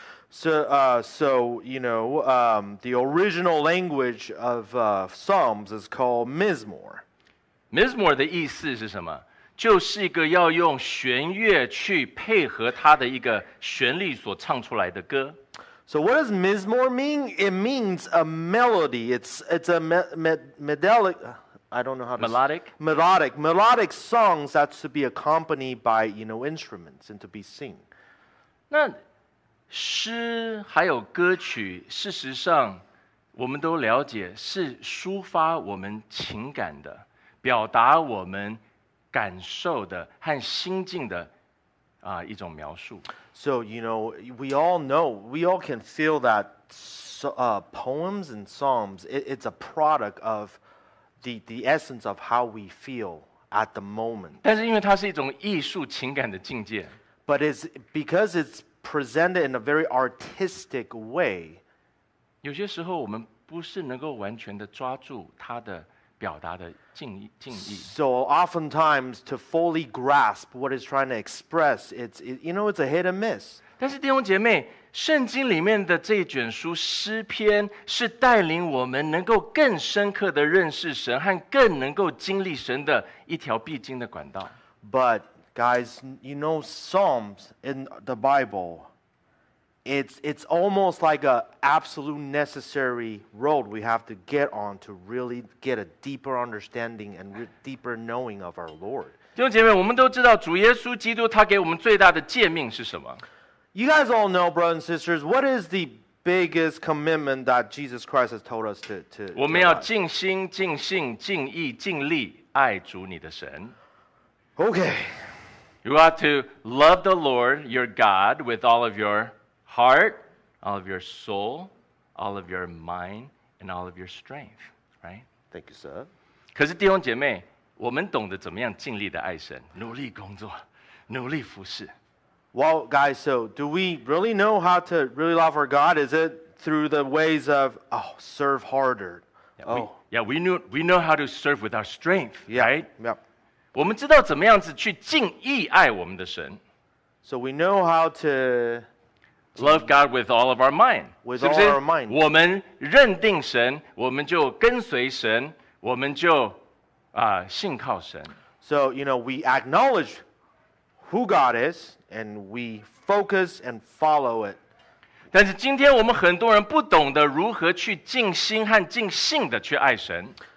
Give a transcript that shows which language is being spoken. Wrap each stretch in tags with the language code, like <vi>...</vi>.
<en>So you know, the original language of Psalms is called Mizmor.</en> <zh>Mizmor的意思是什么? 就是一个要用弦乐去配合它的一个旋律所唱出来的歌。</zh> <en>So what does Mizmor mean? It means a melody. It's a I don't know how to melodic? Say. Melodic. Melodic songs that should be accompanied by, you know, instruments and to be seen.</en> <zh>那诗还有歌曲，事实上我们都了解是抒发我们情感的，表达我们感受的和心境的一种描述。</zh> <en>So, you know, we all can feel that poems and psalms, it's a product of the essence of how we feel at the moment.</en> <zh>但是因为它是一种艺术情感的境界。</zh> <en>But it's because it's presented in a very artistic way.</en> <zh>有些时候我们不是能够完全的抓住它的表达的敬意。</zh> <en>So oftentimes to fully grasp what it's trying to express, it's a hit and miss.</en> <zh>但是弟兄姐妹，圣经里面的这一卷书诗篇是带领我们能够更深刻的认识神和更能够经历神的一条必经的管道。</zh> <en>But guys, you know, Psalms in the Bible, it's almost like an absolute necessary road we have to get on to really get a deeper understanding and deeper knowing of our Lord.</en> <zh>弟兄姐妹，我们都知道主耶稣基督他给我们最大的诫命是什么。</zh> <en>You guys all know, brothers and sisters, what is the biggest commitment that Jesus Christ has told us to</en> <zh>我们要尽心、尽性、尽意、尽力爱主你的神。</zh> <en>Okay. You ought to love the Lord, your God, with all of your heart, all of your soul, all of your mind, and all of your strength, right? Thank you, sir.</en> <zh>可是弟兄姐妹，我们懂得怎么样尽力的爱神，努力工作，努力服事。</zh> <en>Well, guys, so do we really know how to really love our God? Is it through the ways of, serve harder? We know how to serve with our strength, right? Yeah.</en> <zh>我们知道怎么样子去尽意爱我们的神。</zh> <en>So we know how to love God with all of our mind. With all our mind.</en> <zh>我们认定神，我们就跟随神，我们就信靠神。</zh> <en>So, you know, we acknowledge who God is. And we focus and follow it.</en> <zh>但是今天我们很多人不懂得如何去尽心和尽性的去爱神。</zh>